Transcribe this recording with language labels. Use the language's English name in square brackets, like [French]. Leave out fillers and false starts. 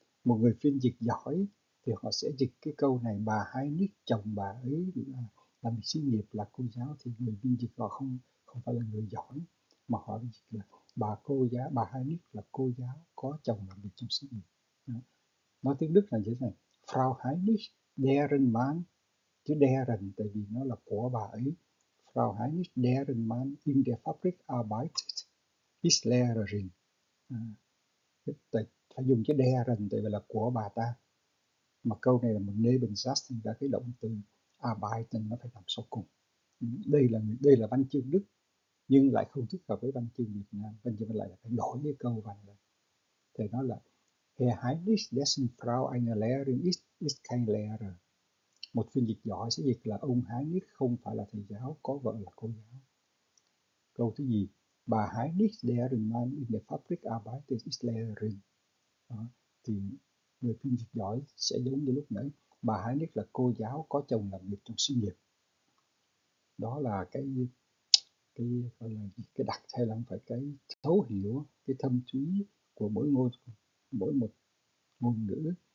[Vietnamese] Một người phiên dịch giỏi thì họ sẽ dịch cái câu này bà Heinrich chồng bà ấy làm việc xí nghiệp là cô giáo, thì người phiên dịch họ không không phải là người giỏi mà họ dịch là bà cô giáo, bà Heinrich là cô giáo có chồng làm việc trong xí nghiệp. Đó. Nói tiếng Đức là như thế này: [German] Frau Heinrich deren Mann, [Vietnamese] chữ deren tại vì nó là của bà ấy. [German] Frau Heinrich deren Mann in der Fabrik arbeitet ist Lehrerin. [Vietnamese] À, phải dùng chữ deren tại vì là của bà ta. Mà câu này là một Nebensatz thì ra cái động từ arbeiten nó phải nằm sau cùng. Đây là văn chương Đức nhưng lại không thích hợp với văn chương Việt Nam. Văn chương lại là phải đổi cái câu văn này. Thầy nói là [German] Herr Heinrich, dessen Frau eine Lehrerin ist, ist kein Lehrer. [Vietnamese] Một phiên dịch giỏi sẽ dịch là ông Heinrich không phải là thầy giáo, có vợ là cô giáo. Câu thứ gì? [German] Bà Heinrich, deren Mann in der Fabrik arbeitet, ist Lehrerin. [Vietnamese] Đó. Thì người phiên dịch giỏi sẽ giống như lúc nãy. Bà Heinrich là cô giáo có chồng làm việc trong xí nghiệp. Đó là gọi là cái đặc hay là không phải cái thấu hiểu cái thâm thúy của mỗi ngôn mỗi một ngôn ngữ.